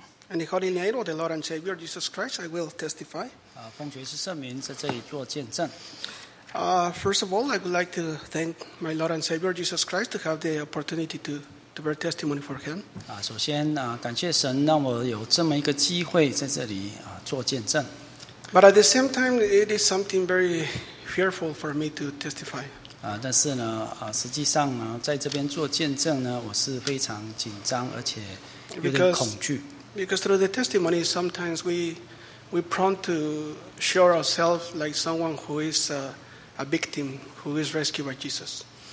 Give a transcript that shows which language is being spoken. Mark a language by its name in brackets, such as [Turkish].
[English] In the holy name of the Lord and Savior Jesus Christ, I will testify. [Chinese] 奉主耶稣圣名在这里做见证。 [English] First of all, I would like to thank my Lord and Savior Jesus Christ to have the opportunity to bear testimony for Him. [Chinese] 首先感谢神让我有这么一个机会在这里做见证。 [English] But at the same time, it is something very fearful for me to testify. [Chinese] 但是呢，实际上呢，在这边做见证呢，我是非常紧张而且有点恐惧。 [English] Because through the testimony, sometimes we prone to show ourselves like someone who is a victim, who is rescued by Jesus.